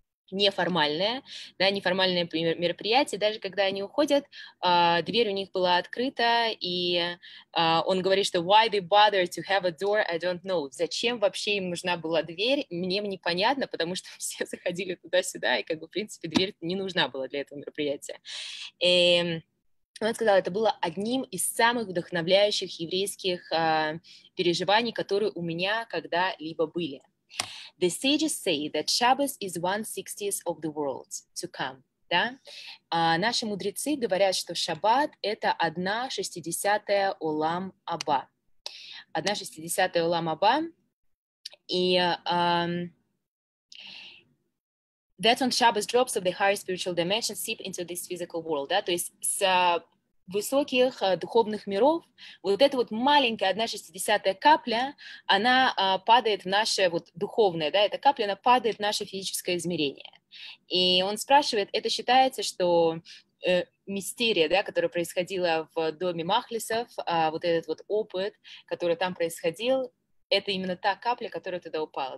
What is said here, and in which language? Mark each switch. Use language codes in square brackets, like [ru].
[ru] неформальное, да, неформальное мероприятие, даже когда они уходят, дверь у них была открыта, и он говорит, что [en] why they bother to have a door, I don't know, [ru] зачем вообще им нужна была дверь, мне непонятно, потому что все заходили туда-сюда, и как бы, в принципе, дверь не нужна была для этого мероприятия. И он сказал, это было одним из самых вдохновляющих еврейских переживаний, которые у меня когда-либо были. [en] The sages say that Shabbos is 1/60 of the world to come. [ru] Да? Наши мудрецы говорят, что Шаббат — это 1/60 Олам Аба. 1/60 Олам Аба. [en] И that's when Shabbos drops of the higher spiritual dimension seep into this physical world. [ru] Да? То есть с высоких духовных миров, вот эта вот маленькая 1/60 капля, она падает в наше вот духовное, да, эта капля, она падает в наше физическое измерение. И он спрашивает, это считается, что мистерия, да, которая происходила в доме Махлисов, вот этот вот опыт, который там происходил, это именно та капля, которая туда упала.